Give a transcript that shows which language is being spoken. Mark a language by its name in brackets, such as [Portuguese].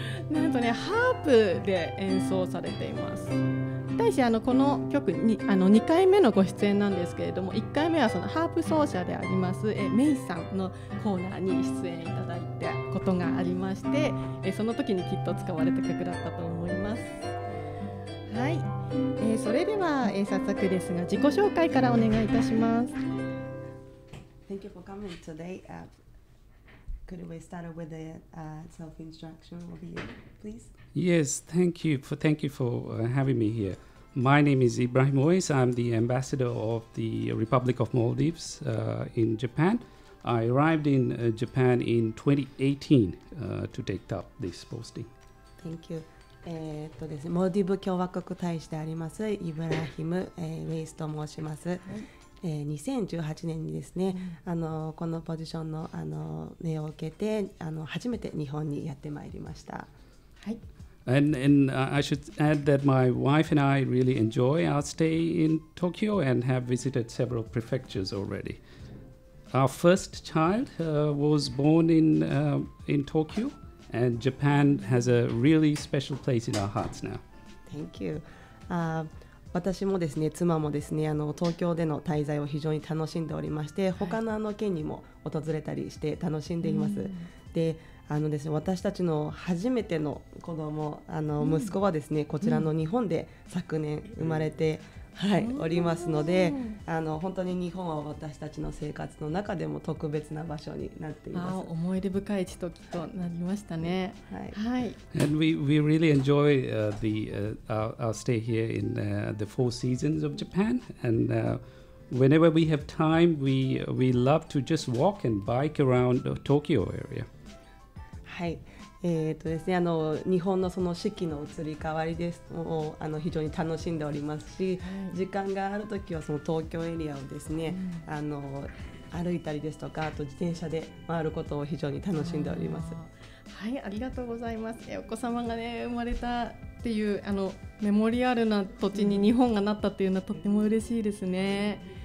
[Japanese] なんとね、ハープで演奏されています。大使、この曲に2回目のご出演なんですけれども、1回目はそのハープ奏者でありますメイさんのコーナーに出演いただいたことがありまして、その時にきっと使われた曲だったと思います。はい、それでは、早速ですが自己紹介からお願いいたします。 [English] Thank you for coming today. Could we start with the self-introduction over here, please? Yes, thank you for having me here. My name is Ibrahim Weiss. I'm the ambassador of the Republic of Maldives in Japan. I arrived in Japan in 2018 to take up this posting. Thank you. [Japanese] モルディブ共和国大使であります、イブラヒム、ウェイスと申します。 2018年にですね、このポジションの命を受けて、初めて日本にやってまいりました。はい。 [English] And I should add that my wife and I really enjoy our stay in Tokyo and have visited several prefectures already. Our first child was born in Tokyo, and Japan has a really special place in our hearts now. Thank you. [Japanese] 私もですね、妻もですね、東京での滞在を非常に楽しんでおりまして、はい、他の県にも訪れたりして楽しんでいます。で、ですね、私たちの初めての子供、息子はですね、こちらの日本で昨年生まれて、はい、おりますので、本当に日本は私たちの生活の中でも特別な場所になっています。あ、思い出深い地ときとなりましたね。はい。はい、 [English] And we really enjoy our stay here in the four seasons of Japan. And whenever we have time, we love to just walk and bike around the Tokyo area. [Japanese] はい。ですね、日本のその四季の移り変わりですを非常に楽しんでおりますし、はい、時間があるときはその東京エリアをですね、うん、歩いたりですとか、あと自転車で回ることを非常に楽しんでおります。はい、ありがとうございます。お子様がね、生まれたっていうメモリアルな土地に日本がなったっていうのは、うん、とても嬉しいですね。